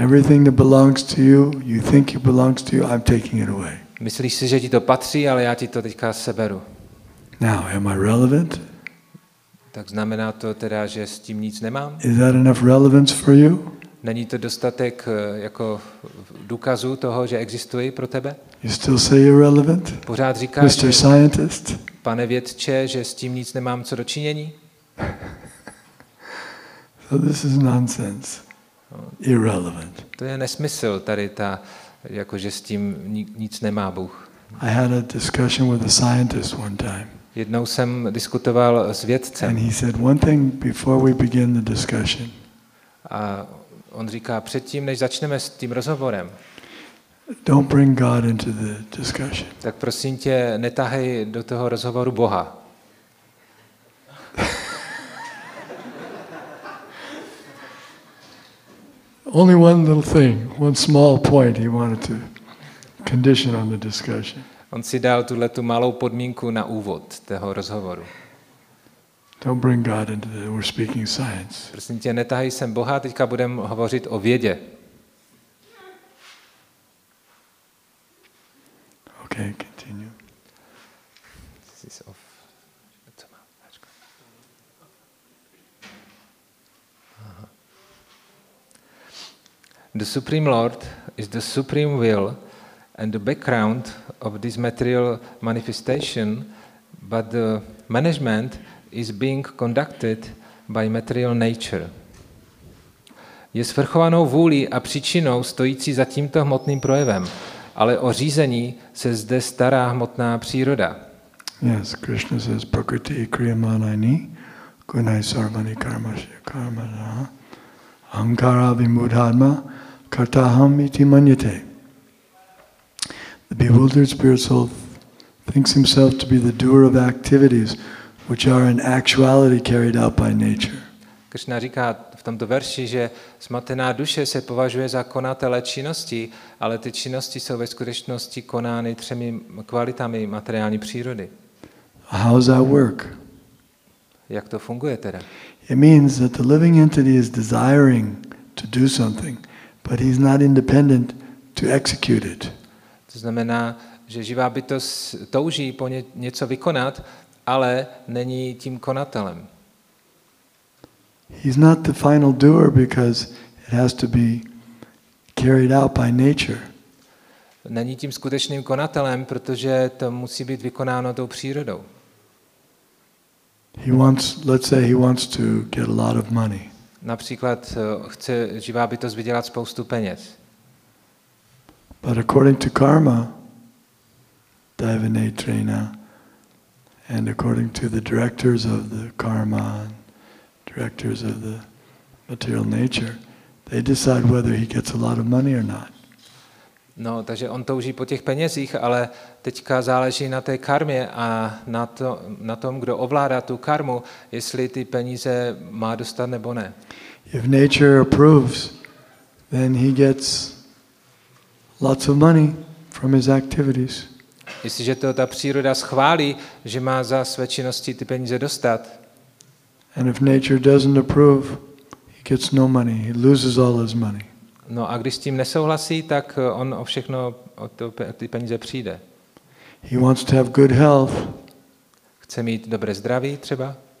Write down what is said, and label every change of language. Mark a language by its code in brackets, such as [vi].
[en] Everything that belongs to you, you think it belongs to you, I'm taking it away. [cs] Myslíš si, že ti to patří, ale já ti to teďka seberu. [en] Now, am I relevant? [cs] Tak znamená to teda, že s tím nic nemám? [en] Is that enough relevance for you? [cs] Není to dostatek jako důkazu toho, že existuji pro tebe? [en] You still say you're relevant? [cs] Pořád říkáš, [en] Mr. Scientist? [cs] Pane vědče, že s tím nic nemám co dočinění? [en] So this is nonsense. Irrelevant. [cs] To je nesmysl tady ta, jako že s tím nic nemá Bůh. [en] I had a discussion with a scientist one time. [cs] Jednou jsem diskutoval s vědcem. [en] And he said one thing before we begin the discussion. [cs] A on říká předtím, než začneme s tím rozhovorem. [en] Don't bring God into the discussion. [cs] Tak prosím tě, netahej do toho rozhovoru Boha. [en] Only one little thing, one small point he wanted to condition on the discussion. [cs] On si dal tuhle tu malou podmínku na úvod toho rozhovoru. [en] Don't bring God into the, we're speaking science. [cs] Prosím tě, netahej sem Boha, teďka budeme hovořit o vědě. [en] Okay, continue. This is off. The Supreme Lord is the supreme will and the background of this material manifestation, but the management is being conducted by material nature. [cs] Je svrchovanou vůlí a příčinou stojící za tímto hmotným projevem, ale o řízení se zde stará hmotná příroda. [en] Yes, Krishna says [sa] prakriti kriyamanani gunai sarvani karmana ahankara vimudhatma kartaham iti manyate. [en] The bewildered spirit soul thinks himself to be the doer of activities which are in actuality carried out by nature. [cs] Krishna říká v tomto verši, že smatená duše se považuje za konatele činnosti, ale ty činnosti jsou ve skutečnosti konány třemi kvalitami materiální přírody. [en] How does that work? [cs] Jak to funguje teda? [en] It means that the living entity is desiring to do something, but he's not independent to execute it. [cs] To znamená, že živá bytost touží po něco vykonat, ale není tím konatelem. [en] He's not the final doer because it has to be carried out by nature. [cs] Není tím skutečným konatelem, protože to musí být vykonáno tou přírodou. [en] Let's say he wants to get a lot of money. [cs] Například chce živá bytost vydělat spoustu peněz. [en] But according to karma, Divinatrina, and according to the directors of the karma, directors of the material nature, they decide whether he gets a lot of money or not. [cs] No, takže on touží po těch penězích, ale teďka záleží na té karmě a na tom, kdo ovládá tu karmu, jestli ty peníze má dostat nebo ne. [en] If nature approves, then he gets lots of money from his activities. [cs] Jestliže to ta příroda schválí, že má za své činnosti ty peníze dostat. [en] And if nature doesn't approve, he gets no money. He loses all his money. [cs] No, a když s tím nesouhlasí, tak on o všechno, o ty peníze přijde. [en] He wants to have good health. [cs] Chce mít dobré zdraví, třeba.